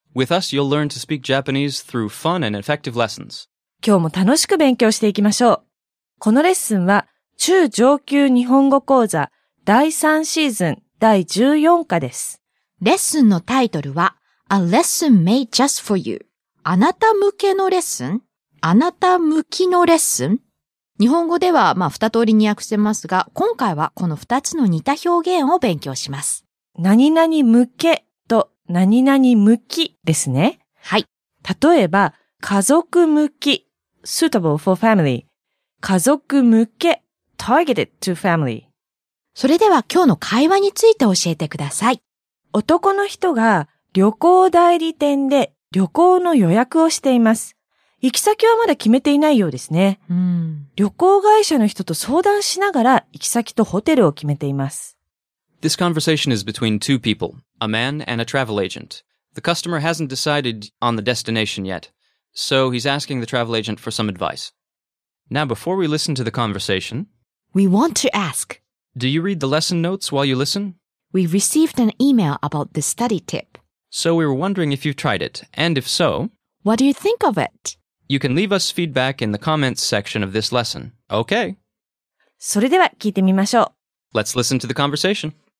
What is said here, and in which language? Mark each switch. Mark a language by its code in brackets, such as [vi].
[en] With us, you'll learn to speak Japanese through fun and effective lessons. [ja] 今日も楽しく勉強していきましょう。このレッスンは中上級日本語講座第3シーズン第14課です。レッスンのタイトルは [en] A lesson made just for you. [ja] あなた向けのレッスン？あなた向きのレッスン？日本語では、まあ、二通りに訳せますが、今回はこの二つの似た表現を勉強します。何々向けと何々向きですね。はい。例えば、家族向き、 [en] suitable for family。 [ja] 家族向け、 [en] targeted to family。 [ja] それでは今日の会話について教えてください。男の人が、旅行代理店で旅行の予約をしています。行き先はまだ決めていないようですね。うん。旅行会社の人と相談しながら行き先とホテルを決めています。 [en] This conversation is between two people, a man and a travel agent. The customer hasn't decided on the destination yet, so he's asking the travel agent for some advice. Now before we listen to the conversation, we want to ask, do you read the lesson notes while you listen? We received an email about this study tip. So we were wondering if you've tried it, and if so, what do you think of it? You can leave us feedback in the comments section of this lesson, okay? [ja] それでは聞いてみましょう。 [en] Let's listen to the conversation.